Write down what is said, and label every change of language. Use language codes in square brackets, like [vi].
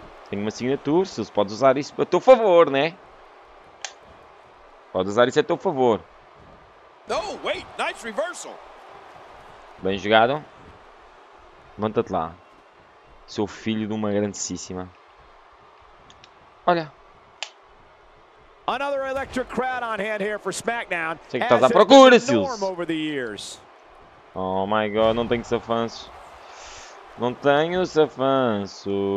[pt] Tem uma assinatura, se você pode usar isso a teu favor, né? Pode usar isso a teu favor. [en] Oh, wait, nice reversal. [pt] Bem jogado. Levanta-te lá. Sou filho de uma grandíssima. Olha. [en] Another electric crowd on hand here for SmackDown. [pt] Sei que estás à procura, Sils. Oh [en] my God, [pt] não tenho safanços. Não tenho safanços.